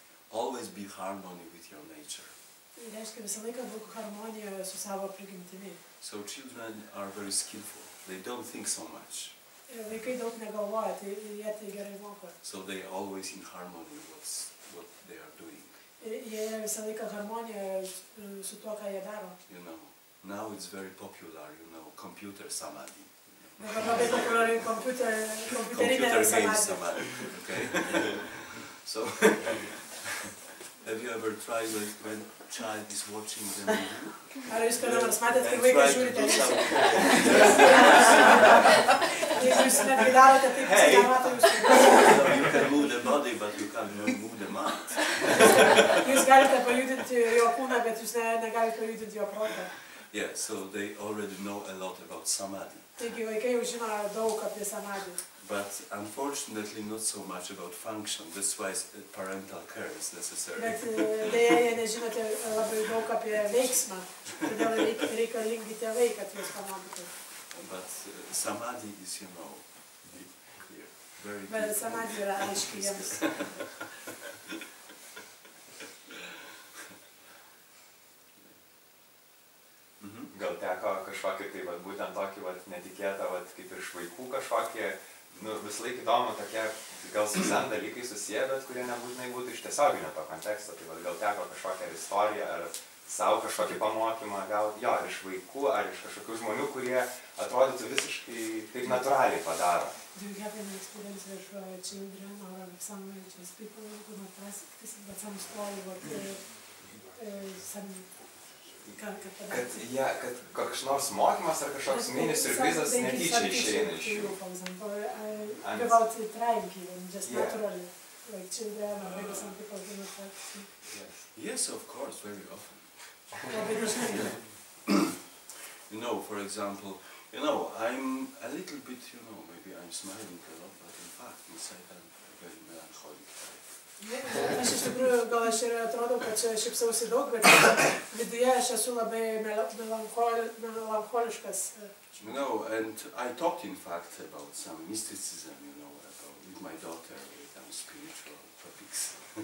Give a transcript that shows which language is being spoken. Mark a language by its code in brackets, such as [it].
[en] Always be harmony with your nature. [lt] Ir reiškia, visą laiką būk harmonijoje su savo prigimtimi. [en] So children are very skillful. They don't think so much. [lt] Vaikai daug negalvoja, tai jie tai gerai moko. [en] So they are always in harmony with what they are doing. [lt] Jie visą laiką harmonijoje su tuo, ką jie daro. [en] You know, now it's very popular, you know, computer samadhi. [lt] Dabar labai populiari computerinė [en] samadhi. Computer game samadhi. Have you ever tried like when a child is watching the movie? [lt] Ar jūs kada nors matėt, kai vaikas žiūri televiziją? jūs netgi darote taip, kad jūs nematote jūsų. [en] You can move the body, but you can't move the mind. [lt] Jūs galite pajudinti jo kūną, bet jūs negalite pajudinti jo protą. [en] Yeah, so they already know a lot about samadhi. [lt] Taigi vaikai jau žino daug apie samadhi. [en] But unfortunately not so much about function. That's why parental care is necessary. [lt] Bet deja nežinote labai daug apie veiksmą. Todėl reikalingi tėvai, kad jūs pamokytų. [en] But samadhi is, you know, very clear. Very clear. [lt] Bet samadhi yra aiški jiems. Gal teko kažkokį tai vat, būtent tokį vat, netikėtą, vat, kaip ir iš vaikų kažkokį, nu, vis laik įdomu tokie, gal su sen dalykai susiję, bet kurie nebūtinai būtų iš tiesioginio to konteksto, tai vat, gal teko kažkokią istoriją ar savo kažkokį pamokymą, gal jo, ar iš vaikų, ar iš kažkokių žmonių, kurie atrodytų visiškai taip natūraliai padaro. [en] Do you have any experience with children or some religious people who are not asked, but some story about some... [lt] Kad, ja, kad kažkoks nors mokymas ar kažkoks mini siurprizas netyčia išeina iš jų. [en] About trying just naturally, like children or maybe some people do not practice. Yes, of course, very often. You know, for example, you know, I'm a little bit, you know, maybe I'm smiling a lot, but in fact, inside I'm very melancholic. [lt] Aš iš tikrųjų, gal aš ir atrodau, kad čia šipsausi daug, bet viduje aš esu labai melancholiškas. [en] You know, and I talked in fact about some mysticism, you know, about with my daughter, with some spiritual topics.